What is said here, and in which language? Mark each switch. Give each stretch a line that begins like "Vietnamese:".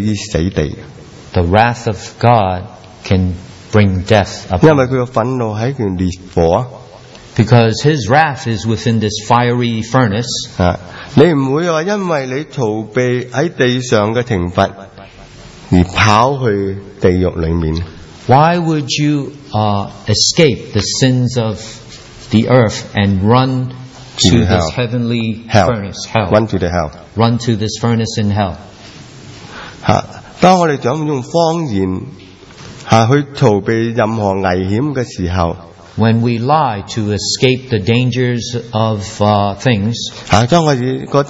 Chinese: 神的憤怒是可以置你於死地的。
English: The wrath of God can bring death upon you.
Chinese: 因為他的憤怒是一團烈火。
English: Because his wrath is within this fiery furnace.
Chinese: 你不會說因為你逃避在地上的懲罰而跑去地獄裡面。
English: Why would you escape the sins of the earth and run to this heavenly furnace, hell? Run to the hell. Run to this furnace in hell.
Chinese: 當我們用方言去逃避任何危險的時候,
English: when we lie to escape the dangers of things,